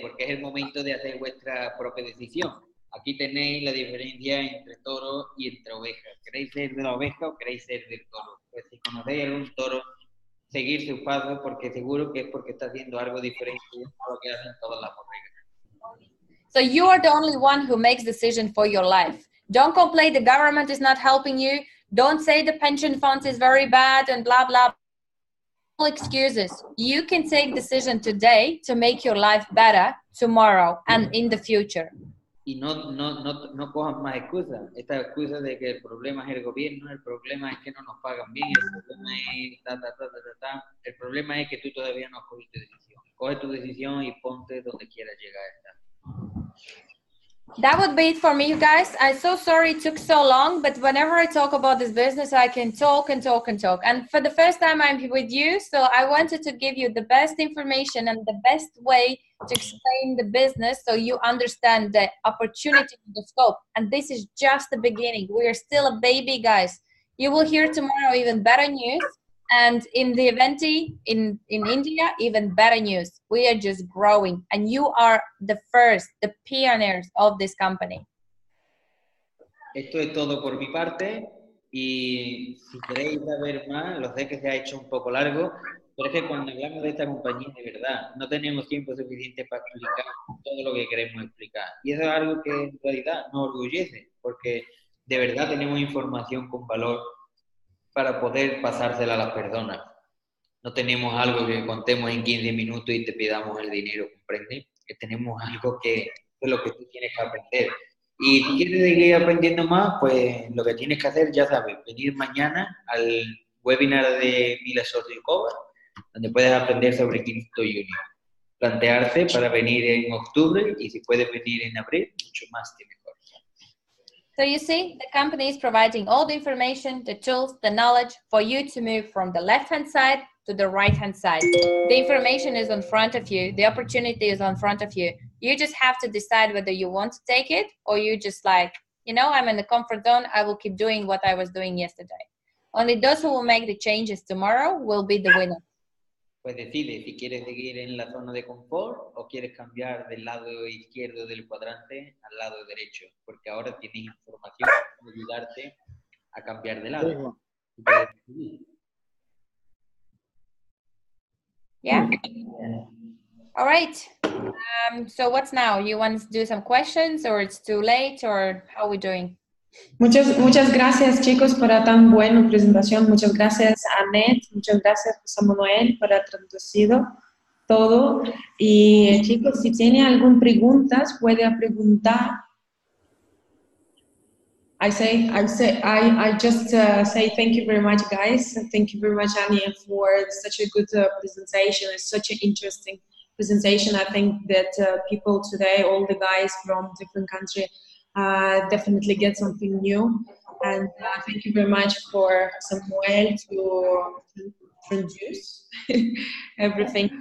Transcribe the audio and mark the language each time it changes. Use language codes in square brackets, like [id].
[es] Porque es el momento de hacer vuestra propia decisión. Aquí tenéis la diferencia entre toro y entre oveja. ¿Queréis ser de la oveja o queréis ser del toro? Pues si conocéis algún toro, seguir su paso, porque seguro que es porque está haciendo algo diferente a lo que hacen todas las ovejas. [en] So you are the only one who makes decision for your life. Don't complain the government is not helping you. Don't say the pension funds is very bad and blah, blah. All excuses. You can take decision today to make your life better tomorrow and in the future. [es] Y no cojan más excusas. Esta excusa de que el problema es el gobierno, el problema es que no nos pagan bien, el problema es El problema es que tú todavía no has cogido tu decisión. Coge tu decisión y ponte donde quieras llegar. [en] That would be it for me, you guys. I'm so sorry it took so long, but whenever I talk about this business, I can talk and talk and talk. And for the first time, I'm with you, so I wanted to give you the best information and the best way to explain the business so you understand the opportunity and the scope. And this is just the beginning. We are still a baby, guys. You will hear tomorrow even better news. And in the event in India, even better news. We are just growing. And you are the first, the pioneers of this company. [es] Esto es todo por mi parte. Y si queréis saber más, lo sé que se ha hecho un poco largo. Pero es que cuando hablamos de esta compañía, de verdad, no tenemos tiempo suficiente para explicar todo lo que queremos explicar. Y eso es algo que en realidad nos orgullece. Porque de verdad tenemos información con valor para poder pasársela a las personas. No tenemos algo que contemos en 15 minutos y te pidamos el dinero, ¿comprende? Que tenemos algo que es lo que tú tienes que aprender. Y si quieres seguir aprendiendo más, pues lo que tienes que hacer, ya sabes, venir mañana al webinar de Mila Socio Cover, donde puedes aprender sobre Crypto Uni. Plantearse para venir en octubre y si puedes venir en abril, mucho más que mejor. [en] So you see, the company is providing all the information, the tools, the knowledge for you to move from the left-hand side to the right-hand side. The information is in front of you. The opportunity is in front of you. You just have to decide whether you want to take it or you just like, you know, I'm in the comfort zone. I will keep doing what I was doing yesterday. Only those who will make the changes tomorrow will be the winner. [es] Pues decide si quieres seguir en la zona de confort o quieres cambiar del lado izquierdo del cuadrante al lado derecho, porque ahora tienes información para ayudarte a cambiar de lado. [en] Yeah. All right. So what's now? You want to do some questions or it's too late or how are we doing? [es] Muchas gracias, chicos, por tan buena presentación. Muchas gracias, Annette. Muchas gracias, José Manuel, por haber traducido todo. Y, chicos, si tiene alguna pregunta, puede preguntar. [en] I just say thank you very much, guys. Thank you very much, Annie, for such a good presentation. It's such an interesting presentation. I think that people today, all the guys from different countries, definitely get something new, and thank you very much for Samuel to introduce everything.